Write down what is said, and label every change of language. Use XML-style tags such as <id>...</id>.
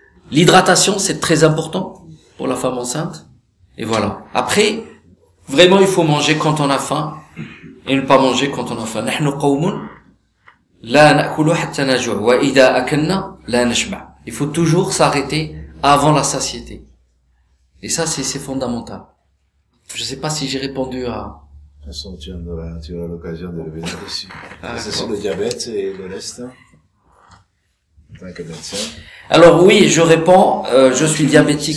<fr>L'hydratation, c'est très important pour la femme enceinte. Et voilà. Après, vraiment, il faut manger quand on a faim et ne pas manger quand on a faim.</fr> <ar>نحن قوم لا نأكل حتى نجوع وإذا أكلنا لا نشبع.</ar> <fr>Il faut toujours s'arrêter avant la satiété. Et ça, c'est fondamental. Je ne sais pas si j'ai répondu à... De toute façon, tu auras l'occasion de revenir dessus. C'est sur le diabète et le reste, en tant que médecin. Alors oui, je réponds, je suis diabétique.</fr>